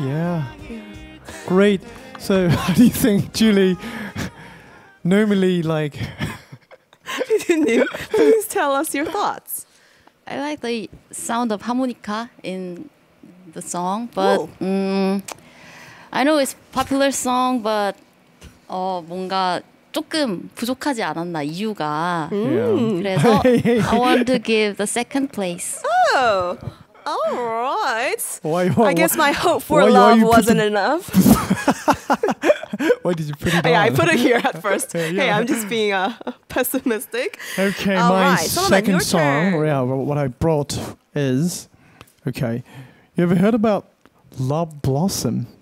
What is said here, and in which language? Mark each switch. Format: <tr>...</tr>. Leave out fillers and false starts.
<en>Yeah. Great. So, how do you think, Julie? Normally, like... Didn't you? Please tell us your thoughts. I like the sound of harmonica in the song, but... I know it's a popular song, but...</en> <ko>뭔가 조금 부족하지 않았나, 이유가.</ko> <en>Yeah.</en> <ko>그래서</ko> <en>I want to give the second place. Oh! All right. I guess my hope for love wasn't enough. Why did you put it on? Yeah, I put it here at first. Yeah. Hey, I'm just being pessimistic. Okay, my second song, what I brought is, okay, you ever heard about Love Blossom?</en>